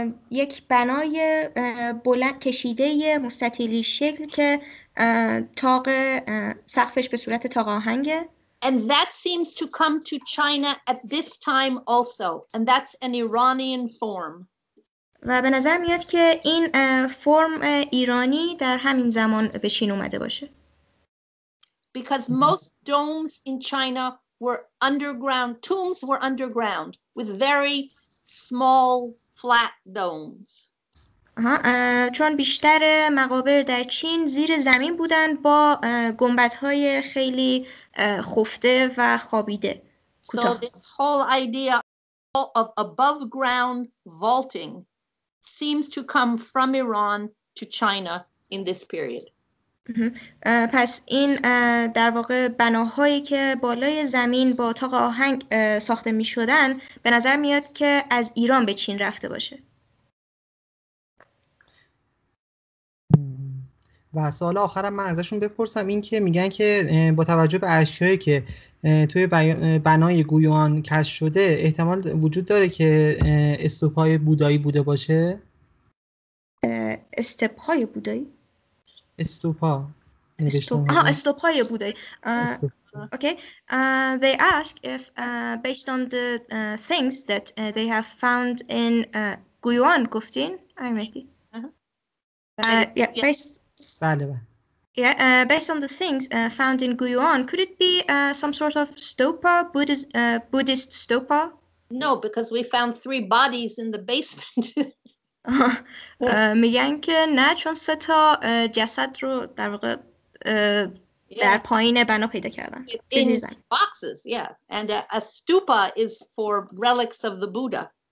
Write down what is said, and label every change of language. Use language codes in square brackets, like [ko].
[fa] یک بنای بلند کشیده مستطیلی شکل که تاق سقفش به صورت تاق آهنگه. [en] And that seems to come to China at this time also. And that's an Iranian form. [fa] و به نظر میاد که این فرم ایرانی در همین زمان به چین اومده باشه. [en] Because most domes in China were underground, tombs were underground with very small flat domes. [fa] چون بیشتر مقابر در چین زیر زمین بودن با گنبدهای خیلی خفته و خابیده. [en] So this whole idea of above ground vaulting seems to come from Iran to China in this period. [fa] پس این در واقع بناهایی که بالای زمین با تاق آهنگ ساخته می شدن به نظر میاد که از ایران به چین رفته باشه. و سوال آخرم من ازشون بپرسم این که میگن که با توجه به اشیایی که توی بنای گویان کشف شده احتمال وجود داره که استوپای بودایی بوده باشه؟ استوپای بودایی؟ استوپا استوپای بودایی [en] Okay, they ask if based on the things that they have found in Guyuan, Guftin, I mean, based on the things found in Guyuan, could it be some sort of stupa, Buddhist stupa? No, because we found three bodies in the basement. [fa] میگن که نه چون سه تا جسد رو در واقع در پایین بنا پیدا کردن. [en] Boxes, yeah. And a stupa is for relics of the Buddha.